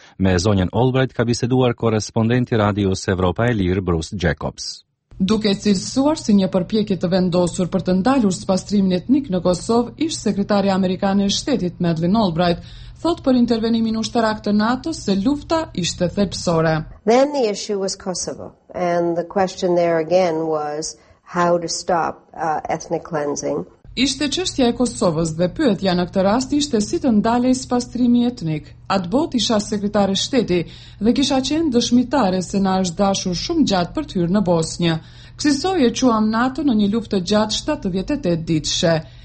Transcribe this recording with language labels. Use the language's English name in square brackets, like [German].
[Albanian] Me zonjën Albright ka biseduar korrespondenti Radios Evropa e Lirë Bruce Jacobs. Duke cilësuar si një përpjekje të vendosur për të ndalur spastrimin etnik në Kosovë, ish sekretarja amerikane e shtetit Madeleine Albright thot për intervenimin ushtarak të NATO-s se lufta ishte thelbësore. [English] Then the issue was Kosovo, and the question there again was how to stop ethnic cleansing. [Albanian] Ishte çështja e Kosovës dhe pyetja në këtë rast ishte si të ndalej spastrimi etnik. Atë bot isha sekretare shteti dhe kisha qenë dëshmitare se na është dashur shumë gjatë për të hyrë në Bosnjë. Kësisoj e quam NATO në një luftë gjatë 78 ditëshe.